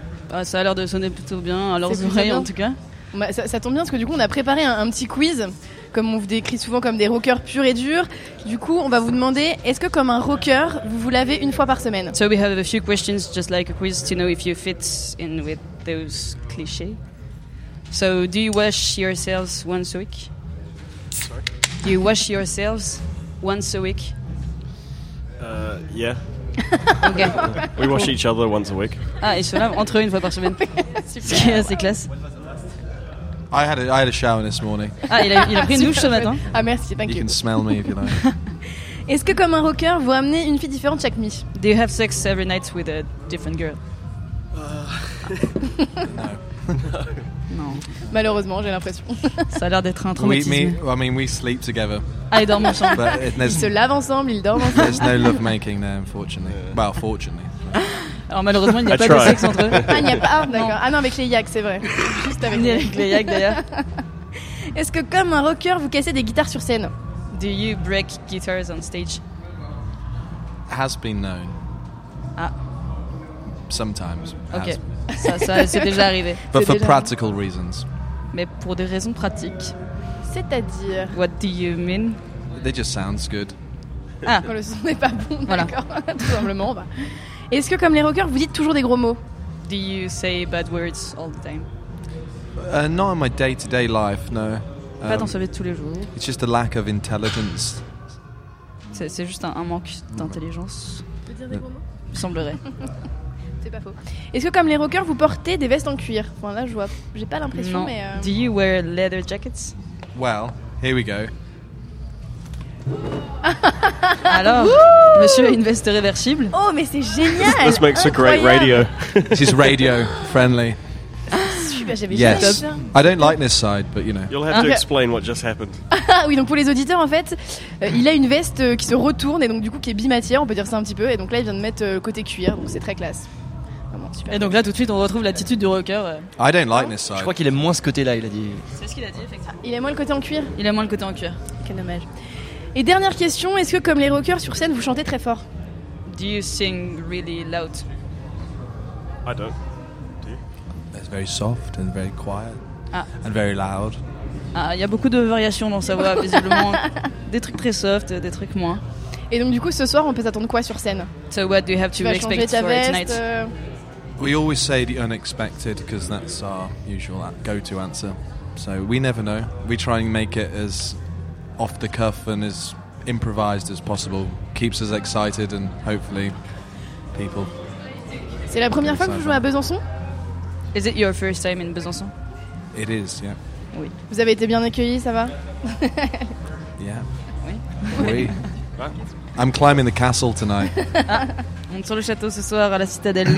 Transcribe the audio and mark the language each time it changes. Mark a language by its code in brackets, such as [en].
[fr] Ah, ça a l'air de sonner plutôt bien à leurs oreilles, en tout cas. Bah, ça tombe bien parce que du coup on a préparé un petit quiz, comme on vous décrit souvent comme des rockers purs et durs. Du coup on va vous demander, est-ce que comme un rocker vous vous lavez une fois par semaine? [en] So we have a few questions just like a quiz to know if you fit in with those clichés. So do you wash yourselves once a week? Sorry? Do you wash yourselves once a week? Yeah. Okay. We wash each other once a week. [fr] Ah, ils se lavent entre eux une fois par semaine. Super. C'est assez classe. [en] I had a shower this morning. [fr] Ah, il a pris une douche ce matin. Ah, merci, [en] thank you. You can smell me if you like. [fr] Est-ce que comme un rocker, vous amenez une fille différente chaque nuit? [en] Do you have sex every night with a different girl? No. [fr] Non. Malheureusement, j'ai l'impression. Ça a l'air d'être un traumatisme. [en] We sleep together. [fr] Ah, ils dorment ensemble. Ils se lavent ensemble, ils dorment ensemble. [en] There's no love making there, unfortunately. Well, fortunately. [fr] Alors malheureusement, il n'y a pas de sexe entre eux. Ah, il n'y a pas. Ah, d'accord. Non. Ah non, avec les yaks, c'est vrai. Juste avec, ni avec les yaks, d'ailleurs. Est-ce que comme un rocker, vous cassez des guitares sur scène? [en] Do you break guitars on stage? Has been known. Ah. Sometimes. [fr] Ok. Ça, c'est déjà arrivé. [en] But for practical reasons. [fr] Mais pour des raisons pratiques. C'est-à-dire? [en] What do you mean? They just sounds good. [fr] Ah, le son n'est pas bon, voilà. D'accord. Tout simplement, bah. Est-ce que, comme les rockers, vous dites toujours des gros mots? [en] Do you say bad words all the time? Not in my day-to-day life, no. [fr] Pas dans sa vie de tous les jours. [en] It's just a lack of intelligence. [fr] C'est juste un manque d'intelligence. Tu veux dire des gros mots? Il semblerait. C'est pas faux. Est-ce que, comme les rockers, vous portez des vestes en cuir? Enfin, là, je vois, j'ai pas l'impression, non. Mais... [en] Do you wear leather jackets? Well, here we go. [fr] Alors, monsieur a une veste réversible. Oh, mais c'est génial! [en] This makes a great radio. She's radio friendly. Yes. I don't like this side, but you know. You'll have to explain what just happened. [fr] Oui, donc pour les auditeurs, en fait, il a une veste qui se retourne et donc du coup qui est bimatière, on peut dire ça un petit peu. Et donc là, il vient de mettre côté cuir, donc c'est très classe. Vraiment, super. Et donc là, tout de suite, on retrouve l'attitude du rocker. [en] I don't like this side. [fr] Je crois qu'il aime moins ce côté-là, il a dit. C'est ce qu'il a dit, effectivement. Il aime moins le côté en cuir. Il aime moins le côté en cuir. Quel dommage. Et dernière question, est-ce que, comme les rockers sur scène, vous chantez très fort? [en] Do you sing really loud? I don't. Very soft and very quiet and very loud. [fr] Ah, il y a beaucoup de variations dans sa voix, visiblement. Des trucs très soft, des trucs moins. Et donc du coup, ce soir, on peut s'attendre quoi sur scène? [en] So what do you have to expect for tonight? We always say the unexpected because that's our usual go-to answer. So we never know. We try and make it as off the cuff and as improvised as possible. Keeps us excited and hopefully people. [fr] C'est la première fois que vous jouez à Besançon? [en] Is it your first time in Besançon? It is, yeah. [fr] Oui. Vous avez été bien accueillis, ça va? [en] Yeah. [fr] Oui. [en] Oui. I'm climbing the castle tonight. [fr] Ah, on sur le château ce soir à la citadelle.